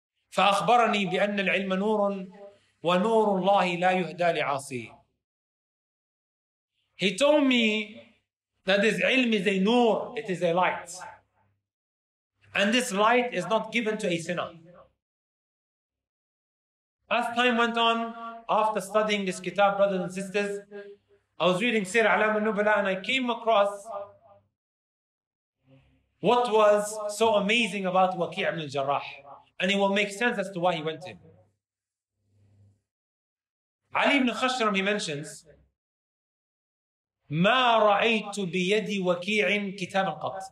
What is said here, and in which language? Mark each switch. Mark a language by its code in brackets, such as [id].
[ar] فأخبرني بأن العلم نور ونور الله لا يهدى لعاصيه. [en] He told me that this ilm is a nur, it is a light. And this light is not given to a sinner. As time went on, after studying this kitab, brothers and sisters, I was reading Sir Alam al-Nubala and I came across what was so amazing about Waqi' ibn al-Jarrah. And it will make sense as to why he went to him. Ali ibn Khashram, he mentions, [ar] ما رأيت بيد وكيع كتابا قط.